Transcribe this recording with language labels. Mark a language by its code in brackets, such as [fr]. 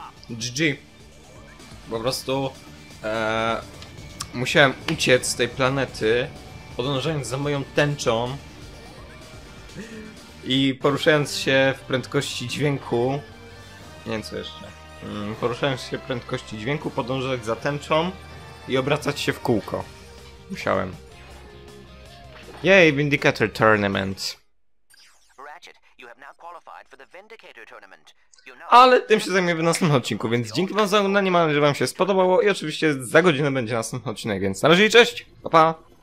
[pl] GG. Po prostu musiałem uciec z tej planety, podążając za moją tęczą i poruszając się w prędkości dźwięku. Nie wiem co jeszcze. Poruszając się w prędkości dźwięku, podążać za tęczą i obracać się w kółko. Musiałem. Yay, Vindicator Tournament. [en] Ratchet, you have now qualified for the Vindicator Tournament. [pl] Ale tym się zajmie w następnym odcinku, więc dzięki wam za oglądanie, mam nadzieję, że wam się spodobało i oczywiście za godzinę będzie następny odcinek, więc na razie i cześć! Pa, pa!